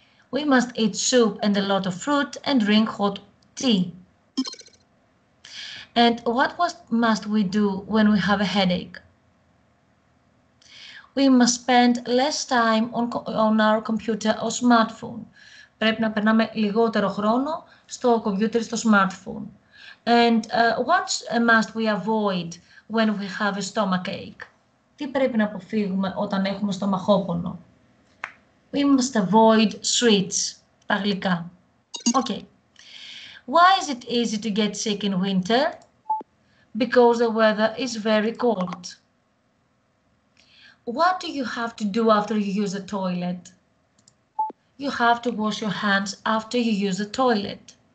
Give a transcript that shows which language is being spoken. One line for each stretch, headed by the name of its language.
English: We must eat soup and a lot of fruit and drink hot tea. And what must we do when we have a headache? We must spend less time on our computer or smartphone.
Greek: Πρέπει να περνάμε λιγότερο χρόνο στο computer ή στο smartphone.
English: And what must we avoid when we have a stomachache?
Greek: Τι πρέπει να αποφύγουμε όταν έχουμε στομαχόπονο?
English: We must avoid sweets,
Greek: τα γλυκά.
English: Okay. Why is it easy to get sick in winter? Because the weather is very cold. What do you have to do after you use the toilet? You have to wash your hands after you use the toilet.